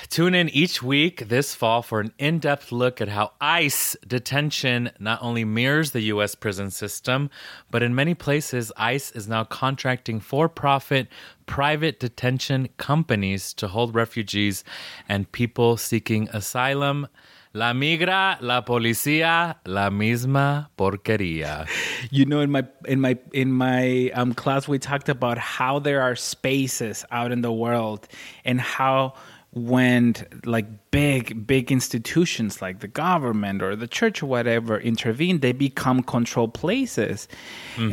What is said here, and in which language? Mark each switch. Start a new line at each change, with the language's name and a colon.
English: Tune in each week this fall for an in-depth look at how ICE detention not only mirrors the U.S. prison system, but in many places, ICE is now contracting for-profit private detention companies to hold refugees and people seeking asylum.
Spanish: La migra, la policía, la misma porquería.
English: You know, in my class, we talked about how there are spaces out in the world, and how when like big institutions like the government or the church or whatever intervene, they become control places. Mm-hmm.